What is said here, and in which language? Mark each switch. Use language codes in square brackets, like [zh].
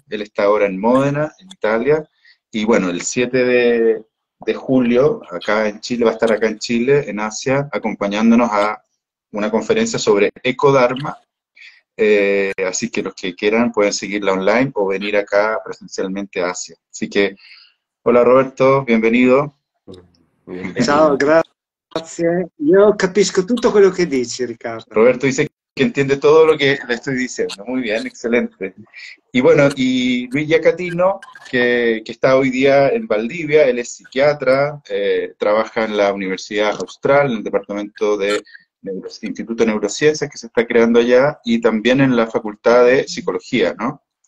[es] Él está ahora en Módena, en Italia, y bueno, el 7 de julio, acá en Chile, va a estar acá en Chile, en Asia, acompañándonos a una conferencia sobre Ecodharma, así que los que quieran pueden seguirla online o venir acá presencialmente a Asia. Así que, hola Roberto, bienvenido. [it] Ciao, grazie. Io capisco tutto quello che dici, Riccardo. [es] Roberto dice que entiende todo lo que le estoy diciendo. Muy bien, excelente. Y bueno, y Luis Giacatino, que está hoy día en Valdivia, él es psiquiatra, trabaja en la Universidad Austral, en el Departamento de Instituto de Neurociencias, que se está creando allá, y también en la Facultad de Psicología, ¿no?